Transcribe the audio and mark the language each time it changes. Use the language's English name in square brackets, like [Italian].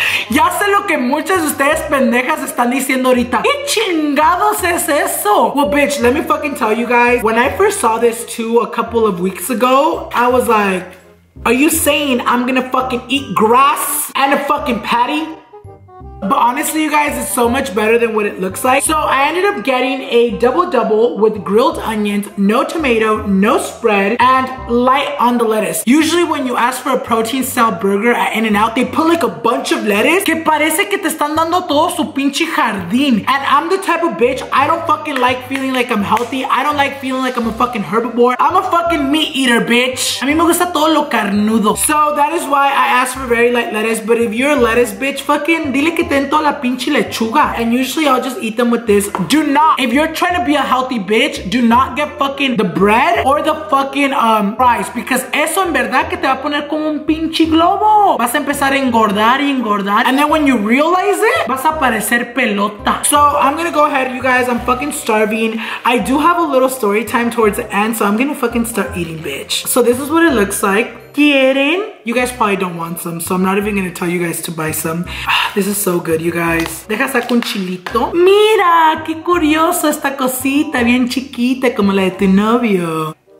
[Spanish] Ya sé lo que muchas de ustedes pendejas están diciendo ahorita. ¿Qué chingados es eso? [English] Well, bitch, let me fucking tell you guys. When I first saw this too a couple of weeks ago, I was like, are you saying I'm gonna fucking eat grass and a fucking patty? But honestly, you guys, it's so much better than what it looks like. So I ended up getting a double-double with grilled onions, no tomato, no spread, and light on the lettuce. Usually when you ask for a protein-style burger at In-N-Out, they put like a bunch of lettuce. [Spanish] Que parece que te están dando todo su pinche jardín. [English] And I'm the type of bitch, I don't fucking like feeling like I'm healthy. I don't like feeling like I'm a fucking herbivore. I'm a fucking meat eater, bitch. [Spanish] A mí me gusta todo lo carnudo. [English] So that is why I asked for very light lettuce. But if you're a lettuce, bitch, fucking [Spanish] dile que tento la pinche lechuga. [English] And usually I'll just eat them with this. Do not, if you're trying to be a healthy bitch, do not get fucking the bread or the fucking fries, because [Spanish] eso en verdad que te va a poner como un pinche globo. Vas a empezar a engordar y engordar, [English] and then when you realize it, [Spanish] vas a parecer pelota. [English] So I'm gonna go ahead, you guys. I'm fucking starving. I do have a little story time towards the end, so I'm gonna fucking start eating, bitch. So this is what it looks like. [Spanish] ¿Quieren? [English] You guys probably don't want some, so I'm not even gonna tell you guys to buy some. This is so good, you guys. [Spanish] Deja saco un chilito. Mira, qué curioso esta cosita, bien chiquita como la de tu novio.